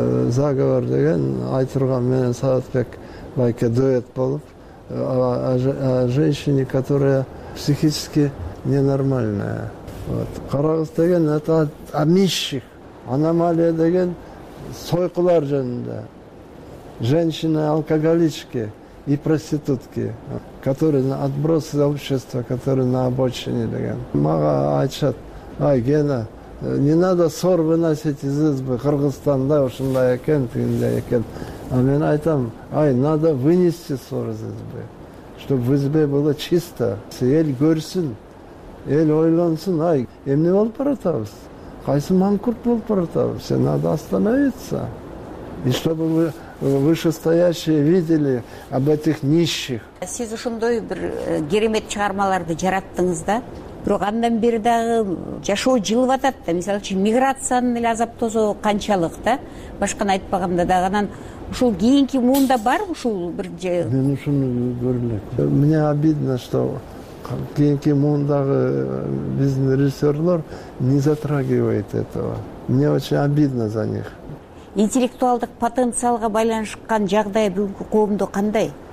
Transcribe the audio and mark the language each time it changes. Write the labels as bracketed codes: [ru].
[ky] Заговор деген Айтурган менен Саатбек байке дуэт болуп, [ru] о женщине, которая психически ненормальная. Вот. Карагыз деген это о нищих. [ky] аномалия деген сойкулар жөнүндө. [ru] Женщины, алкоголички и проститутки, которые отбросы общества, которые на обочине деген. [ky] Мага айтышат: «Ай, Гена, [ru] не надо ссор выносить из избы, [ky] Кыргызстанда ушундай экен, тигиндей экен». [ru] А мен айтам: «Ай, надо вынести ссор из избы, чтобы в избе было чисто, [ky] эл көрсүн, эл ойлонсун, ай, эмне болуп баратабыз? Кайсы маңкурт болуп баратабыз? [ru] Все надо остановиться. И чтобы вы вышестоящие видели об этих нищих». [ky] Сиз ушундай бир керемет чыгармаларды жараттыңыз да. Бирок андан бери дагы жашоо жылып атат да. Мисалы үчүн миграциянын эле азаптоосу канчалык да. Башканы айтпаганда дагы анан ушул кийинки муунда бар ушул бир же. Мен ушуну көрүп элек. [ru] Мне обидно, что [ky] кийинки муундагы биздин режиссерлор [ru] не затрагивает этого. Мне очень обидно за них. [ky] Интеллектуалдык потенциалга байланышкан жагдай бүгүнкү коомдо кандай?